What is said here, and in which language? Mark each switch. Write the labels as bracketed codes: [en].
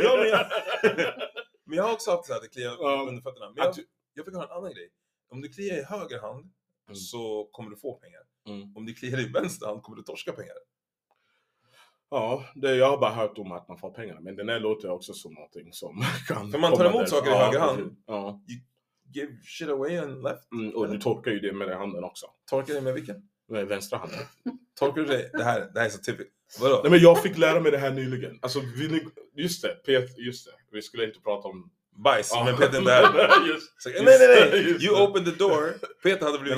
[sv] Ja, men jag har också haft så här, att det kliar under fötterna. Men jag fick höra en annan grej. Om du kliar i höger hand så kommer du få pengar. Mm. Om du kliar i vänster hand kommer du torska pengar. Ja, det jag har bara hört om att man får pengarna. Men den här låter också som någonting som kan... För man tar emot saker i höger hand. Ja. [en] You give shit away and left. [sv] Mm, och du tolkar ju det med den handen också. Tolkar du med vilken? Med vänstra handen. Tolkar du det här är så typiskt. Vadå? Nej, men jag fick lära mig det här nyligen. Alltså, just det. Vi skulle inte prata om... Bajs, ja. Men Peter där. Nej. [en] You opened the door. [sv] Peter hade blivit